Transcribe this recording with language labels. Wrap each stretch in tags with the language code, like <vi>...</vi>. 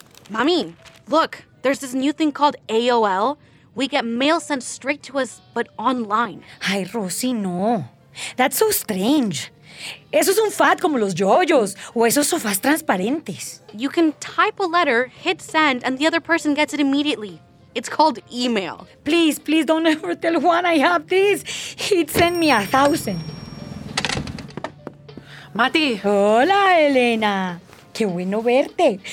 <en>Mommy, look, there's this new thing called AOL. We get mail sent straight to us, but online. Ay, Rosy, no. That's so strange.</en> <es>Eso es un fad como los yoyos, o esos sofás transparentes.</es> <en>You can type a letter, hit send, and the other person gets it immediately. It's called email. Please, please don't ever tell Juan I have this. He'd send me 1,000. Mati.</en> <es>Hola, Elena. Qué bueno verte.</es>